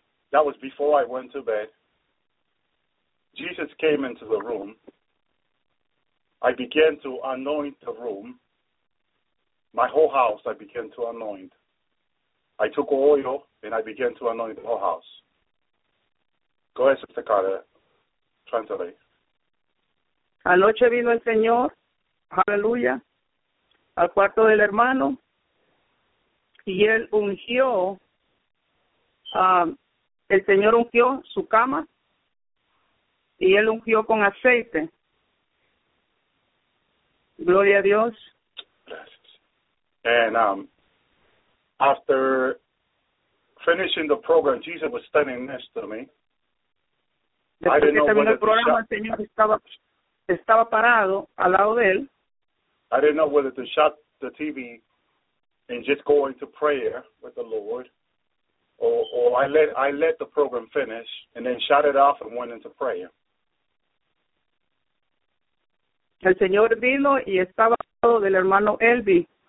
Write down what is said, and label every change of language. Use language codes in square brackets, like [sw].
[en] That was before I went to bed. Jesus came into the room, I began to anoint the room, my whole house I began to anoint. I took oil and I began to anoint the whole house. Go ahead, Sister Carter. Translate. [es] Anoche vino el Señor, aleluya, al cuarto del hermano, y él ungió, el Señor ungió su cama, y él ungió con aceite. Gloria a Dios. Gracias. [en] And after finishing the program, Jesus was standing next to me. [es] Después que terminó el programa, el Señor estaba parado al lado de él. [en] I didn't know whether to shut the TV and just go into prayer with the Lord, or I let the program finish and then shut it off and went into prayer. [es] El Señor vino y estaba al lado del hermano Elby.